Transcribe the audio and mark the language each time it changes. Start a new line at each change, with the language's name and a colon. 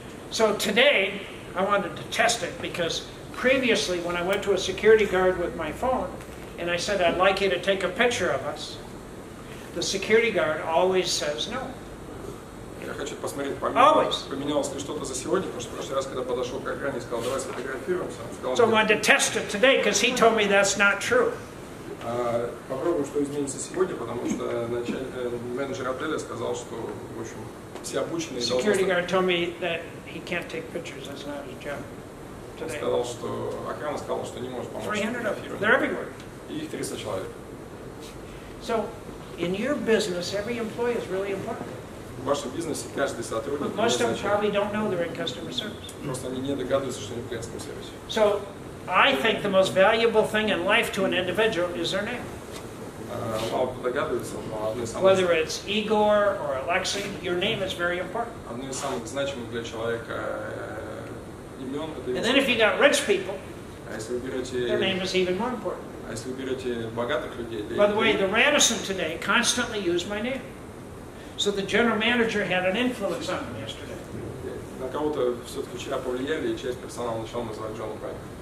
English: So today, I wanted to test it because previously when I went to a security guard with my phone and I said, I'd like you to take a picture of us, the security guard always says no. So I wanted to test it today because he told me that's not true.
Russian: Попробую, что изменится сегодня, потому что менеджер отеля сказал, что, в общем, все обученные...
English: Security guard told me that he can't take pictures, that's not his job today.
Russian: Сказал, что... Охрана сказала, что не может помочь.
English: 300 of them, they're everywhere.
Russian: Их 300 человек.
English: So, in your business, every employee is really important.
Russian: В вашем бизнесе каждый сотрудник...
English: But most of them probably don't know they're in customer service.
Russian: Просто они не догадываются, что они в клиентском сервисе.
English: So, I think the most valuable thing in life to an individual is their name. Whether it's Igor or Alexei, your name is very important. And then if you got rich people, their name is even more important. By the way, the Radisson today constantly used my name. So the general manager had an influence on me yesterday.
Russian: На кого-то все-таки вчера повлияли, и часть персонала начала называть Джона Пайка.